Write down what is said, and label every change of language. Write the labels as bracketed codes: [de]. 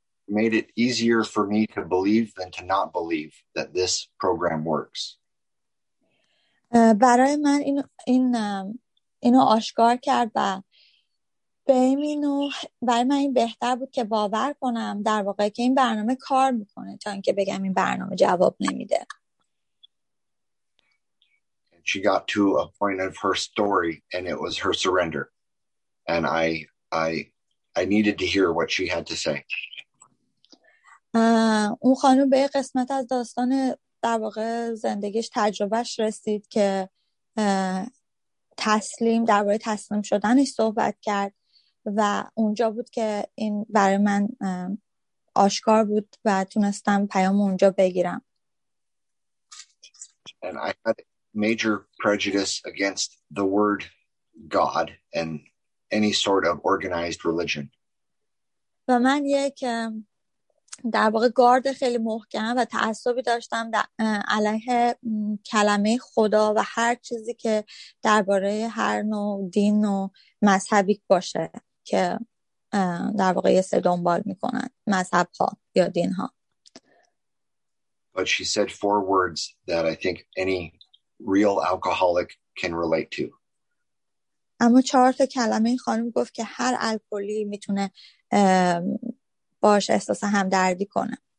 [en] Made it easier for me to believe than to not believe that this program works. [fa] برای من اینو آشکار کرد و برای من این بهتر بود که باور کنم در واقع که این برنامه کار میکنه تا اینکه بگم این برنامه جواب نمیده. [en] She got to a point of her story and it was her surrender. And I needed to hear what she had to say. [fa] اون خانم به قسمت از داستان در واقع زندگیش تجربهش رسید که تسلیم در واقع تسلیم شدنش صحبت کرد و اونجا بود که این برای من آشکار بود و تونستم پیام اونجا بگیرم. [en] And I had major prejudice against the word God and any sort of organized religion. [fa] و من یک در واقع گارد خیلی محکم و تعصبی داشتم علیه کلمه خدا و هر چیزی که درباره هر نوع دین و مذهبی باشه که در واقع یه سر دنبال میکنن مذهب ها یا دین ها. [en] But she said four words that I think any real alcoholic can relate to. [fa] اما چهار تا کلمه این خانم گفت که هر الکلی میتونه باش احساس همدردی کنه.